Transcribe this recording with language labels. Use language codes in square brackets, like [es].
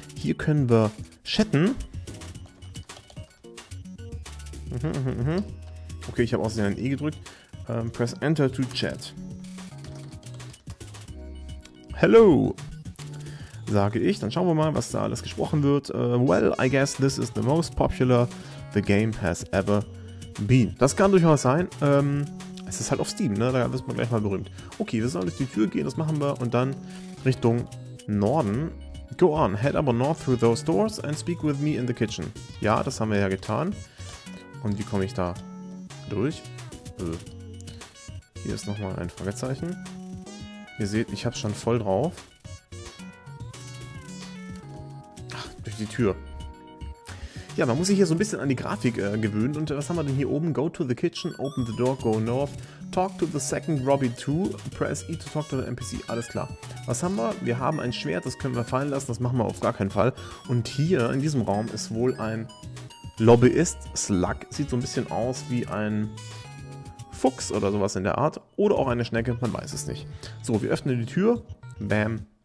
[de] Hier können wir chatten. Okay, ich habe außerdem ein E gedrückt. [en] Press Enter to chat. [de] Hello, sage ich. Dann schauen wir mal, was da alles gesprochen wird. [en] Well, I guess this is the most popular the game has ever been. [de] Das kann durchaus sein. Es ist halt auf Steam, ne? Da wird man gleich mal berühmt. Okay, wir sollen durch die Tür gehen, das machen wir. Und dann Richtung Norden. [en] Go on, head up north through those doors and speak with me in the kitchen. [de] Ja, das haben wir ja getan. Und wie komme ich da durch? Hier ist nochmal ein Fragezeichen. Ihr seht, ich hab's schon voll drauf. Ach, durch die Tür. Ja, man muss sich hier so ein bisschen an die Grafik gewöhnen. Und was haben wir denn hier oben? [en] Go to the kitchen, open the door, go north. Talk to the second Robby 2. Press E to talk to the NPC. [de] Alles klar. Was haben wir? Wir haben ein Schwert, das können wir fallen lassen. Das machen wir auf gar keinen Fall. Und hier in diesem Raum ist wohl ein Lobbyist. Slug. Sieht so ein bisschen aus wie ein Fuchs oder sowas in der Art. Oder auch eine Schnecke, man weiß es nicht. So, wir öffnen die Tür. Bam.